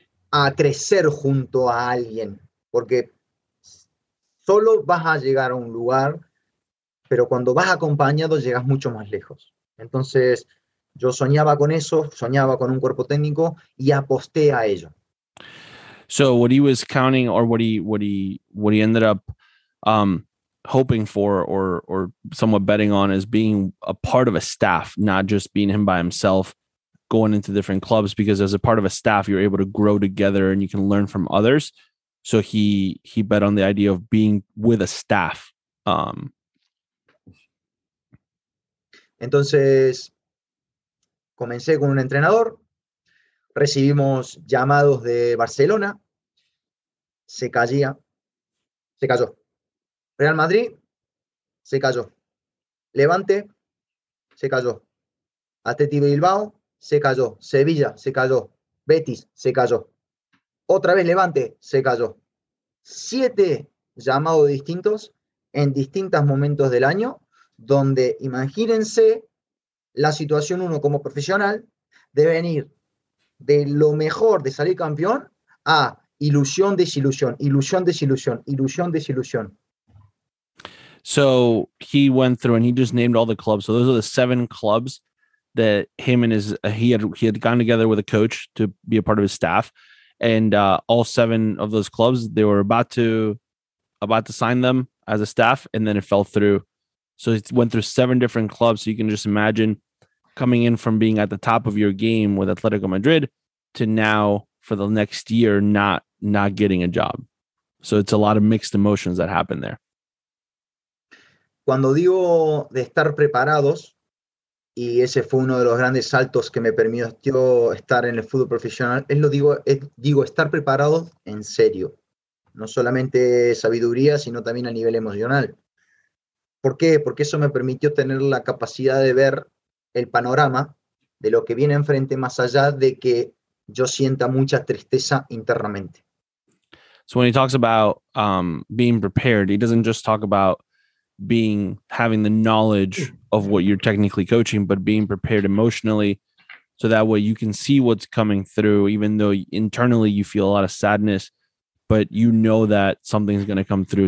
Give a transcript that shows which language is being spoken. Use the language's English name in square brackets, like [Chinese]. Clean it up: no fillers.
[Spanish] a crecer junto a alguien, porque solo vas a llegar a un lugar, pero cuando vas acompañado llegas mucho más lejos. Entonces, yo soñaba con eso, soñaba con un cuerpo técnico y aposté a ello. [English] So what he was counting, or what he ended up hoping for, or somewhat betting on, is being a part of a staff, not just being him by himself going into different clubs, because as a part of a staff, you're able to grow together and you can learn from others. So he bet on the idea of being with a staff. [Spanish] Entonces, comencé con un entrenador, recibimos llamados de Barcelona, se cayó. Real Madrid, se cayó. Levante, se cayó. Atleti Bilbao, se cayó. Sevilla, se cayó. Betis, se cayó. Otra vez Levante, se cayó. 7 llamados distintos en distintos momentos del año, donde imagínense la situación uno como profesional de venir de lo mejor, de salir campeón, a ilusión, desilusión, ilusión, desilusión, ilusión, desilusión. [English] So he went through and he just named all the clubs. So those are the 7 clubs that him and he had gone together with a coach to be a part of his staff. And all 7 of those clubs, they were about to sign them as a staff, and then it fell through. So it went through 7 different clubs. So you can just imagine coming in from being at the top of your game with Atletico Madrid to now for the next year not getting a job. So it's a lot of mixed emotions that happen there. [Spanish] Cuando digo de estar preparados, y ese fue uno de los grandes saltos que me permitió estar en el fútbol profesional, digo estar preparado en serio. No solamente sabiduría, sino también a nivel emocional. ¿Por qué? Porque eso me permitió tener la capacidad de ver el panorama de lo que viene enfrente, más allá de que yo sienta mucha tristeza internamente. [English] So when he talks about being prepared, he doesn't just talk about having the knowledge of what you're technically coaching, but being prepared emotionally so that way you can see what's coming through, even though internally you feel a lot of sadness, but you know that something's going to come through.